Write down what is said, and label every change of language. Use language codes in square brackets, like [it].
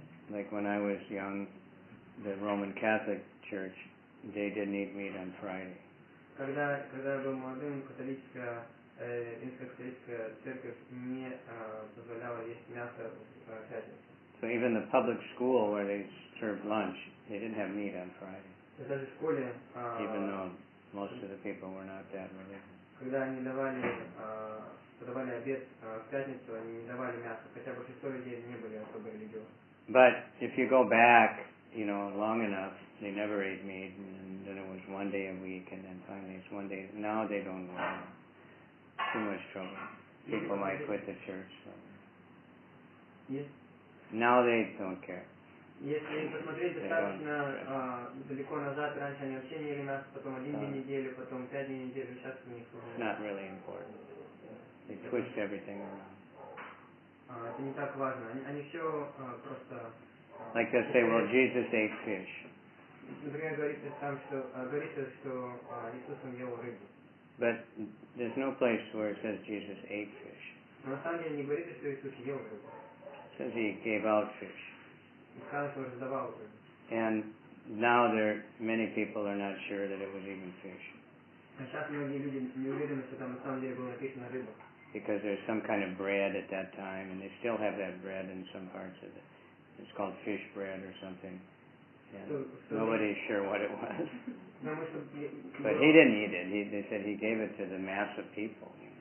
[en] Like when I was young, the Roman Catholic Church, they didn't eat meat on Friday. [ru] Когда я был молодым, римско-католическая церковь не позволяла есть мясо в пятницу. [en] So even the public school where they served lunch, they didn't have meat on Friday. [ru] Даже в школе. [en] Even though most of the people were not that religious. [ru] Когда они давали подавали обед в пятницу, они не давали мясо, хотя большинство людей не были особо религиозны. [en] But if you go back, you know, long enough, they never ate meat, and then it was one day a week, and then finally it's one day. Now they don't go out. Too much trouble. People might quit the church. So. Yes. Now they don't care. [ru] Если посмотреть достаточно далеко назад, раньше они вообще не ели мясо, потом один день неделю, потом пять дней неделю, сейчас у них. [en] It's not really important. They twist everything around. [ru] Это не так важно. Они все просто. [en] Like they say, well, Jesus ate fish. [ru] Например, говорится там, что говорится, что Иисус ел рыбу. [en] But there's no place where it says Jesus ate fish. [ru] На самом деле не говорится, что Иисус ел рыбу. [en] It says he gave out fish. [ru] Сказано, что раздавал рыбу. [en] And now there many people are not sure that it was even fish. [ru] Сейчас многие люди не уверены, что там на самом деле было написано рыба. [en] Because there's some kind of bread at that time, and they still have that bread in some parts of it. It's called fish bread or something. So, nobody's sure what it was. No, but he didn't eat it. They said he gave it to the mass of people.